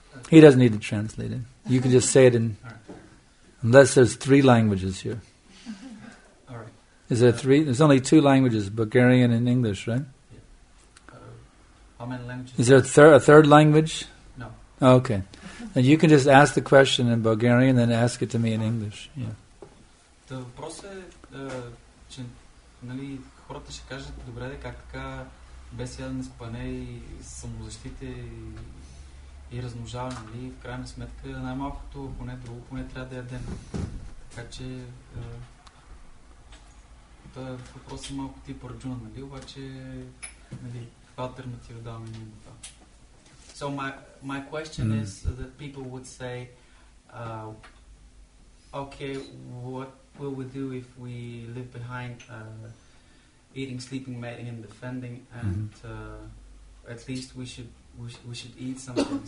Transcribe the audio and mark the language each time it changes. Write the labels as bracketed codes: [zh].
[en] He doesn't need to translate it. You can just say it in... Unless there's three languages here. Is there three? There's only two languages, Bulgarian and English, right? How many languages? Is there a third language? No. Okay. And you can just ask the question in Bulgarian and then ask it to me in English. Yeah. [bg] The въпрос е, че нали, хората ще кажат, добре, как така без ядене спане и самозащите и размножаване, нали, в крайна сметка най-малкото поне друго, поне трябва да ядем. Така че това въпрос е малко типа Арджуна, нали, обаче нали, каква алтернатива даваме ние на това. [en] So my question is that people would say, okay, what will we do if we live behind eating, sleeping, mating, and defending? And at least we should eat something.